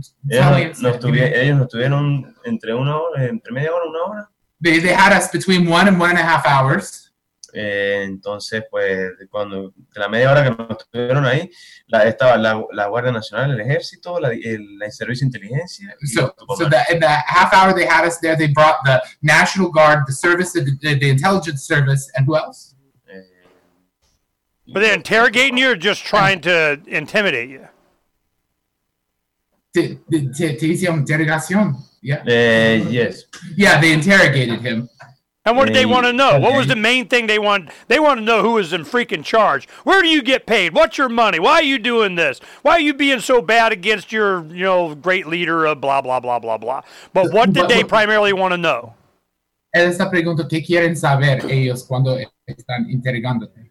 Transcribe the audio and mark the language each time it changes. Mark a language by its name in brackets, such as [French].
[Spanish] Ellos nos tuvieron entre una hora, entre media hora, una hora. [English] They had us between 1 and 1.5 hours. [Spanish] Entonces, pues, cuando la media hora que nos tuvieron ahí, estaba la Guardia Nacional, el Ejército, el Servicio de Inteligencia. [English] In that half hour they had us there, they brought the National Guard, the service, the intelligence service, and who else? Were they interrogating you or just trying to intimidate you? [Spanish] Te hicieron interrogación, yeah. [English] Yes. Yeah, they interrogated him. And what did they want to know? What was the main thing they wanted? They want to know who was in freaking charge. Where do you get paid? What's your money? Why are you doing this? Why are you being so bad against your, great leader of blah, blah, blah, blah, blah. But what did they primarily want to know? [Spanish] Esa pregunta, ¿qué quieren saber ellos cuando están interrogándote?